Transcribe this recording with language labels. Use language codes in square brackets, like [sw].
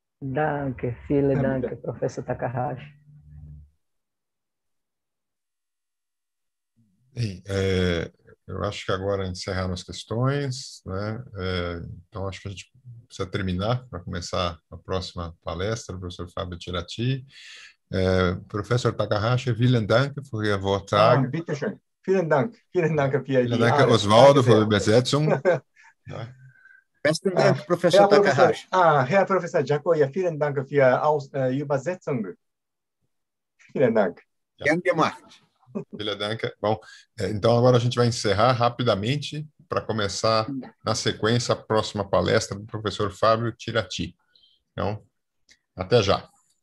[de] Danke, vielen Dank, Professor Takahashi. [pt] Bem, eu acho que agora encerraram as questões, né? Então acho que a gente precisa terminar para começar a próxima palestra, professor Fábio Tirati. [de] Professor Takahashi, vielen Dank für Ihr Vortrag. Ah, bitte schön. Vielen Dank. Vielen Dank, Pierre. Vielen Dank, Oswaldo, für die Besetzung. Besten Dank, Professor Takahashi. Herr Professor Jacoya, vielen Dank für die Übersetzung. Vielen Dank. Gern gemacht. [pt] Bom, então agora a gente vai encerrar rapidamente para começar na sequência a próxima palestra do professor Fábio Tirati. Então, até já.